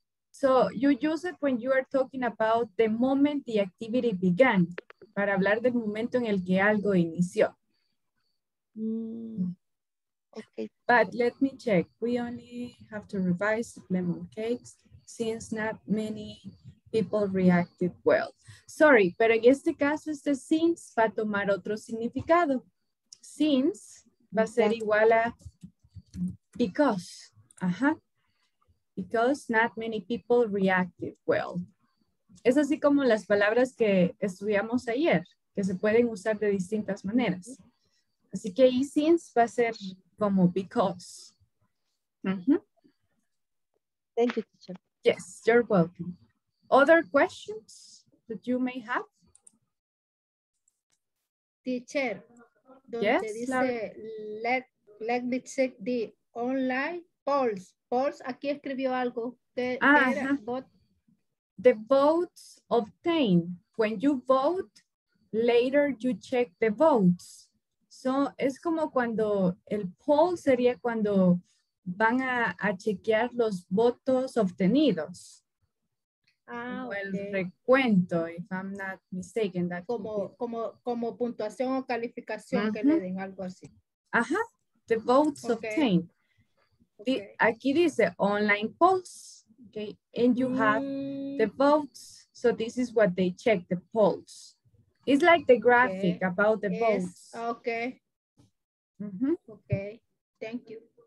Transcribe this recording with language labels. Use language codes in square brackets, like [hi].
[en] So you use it when you are talking about the moment the activity began, [es] para hablar del momento en el que algo inició. [en] Okay. But let me check. We only have to revise lemon cakes since not many people reacted well. [es] Sorry, pero en este caso este since va a tomar otro significado. Since va a ser igual a because. Ajá. [en] Because not many people reacted well. [es] Es así como las palabras que estudiamos ayer, que se pueden usar de distintas maneras. Así que y since va a ser como because. Mm-hmm. [en] Thank you, teacher. Yes, you're welcome. Other questions that you may have? Teacher, yes, dice, let me check the online polls. Polls, [es] aquí escribió algo. Que era, [en] the votes obtained. When you vote, later you check the votes. [es] So es como cuando el poll sería cuando van a chequear los votos obtenidos. Ah, el recuento, [en] if I'm not mistaken. That [es] como puntuación o calificación que le den, algo así. [en] Ajá, the votes obtained. Okay. [es] Aquí dice [en] online polls, okay, and you have the votes, so this is what they check, the polls. It's like the graphic about the votes. Okay. Okay, thank you.